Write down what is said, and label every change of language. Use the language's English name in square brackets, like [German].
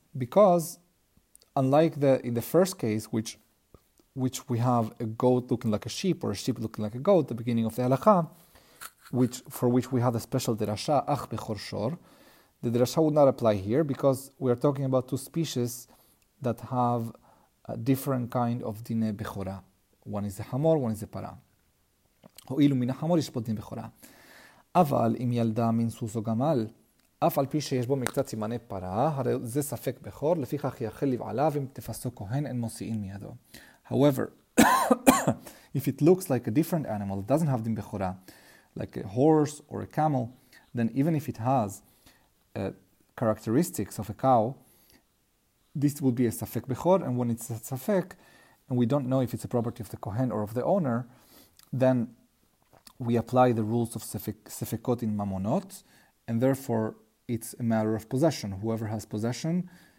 [English] Because unlike in the first case, which we have a goat looking like a sheep or a sheep looking like a goat, the beginning of the halakha, for which we had a special derasha, [Hebrew] ach bechor shor, [English] the derasha would not apply here because we are talking about two species that have a different kind of dine bechora. One is a hamor, one is a para. [Hebrew] Ho'ilu min hamor ispod din bechora. אבל אם ילדה מן סוס או גמל, אף על פי שיש בו מקצת סימני פרה, הרי זה ספק בכור, לפיכך יאכל לבעליו, אם תפסו כהן, אין מוציאין מידו. [English] However, if it looks like a different animal, it doesn't have דין בכורה, like a horse or a camel, then even if it has characteristics of a cow, this would be a ספק בכור, and when it's a ספק, and we don't know if it's a property of the כהן or of the owner, then we apply the rules of sefekot in mamonot, and therefore it's a matter of possession. Whoever has possession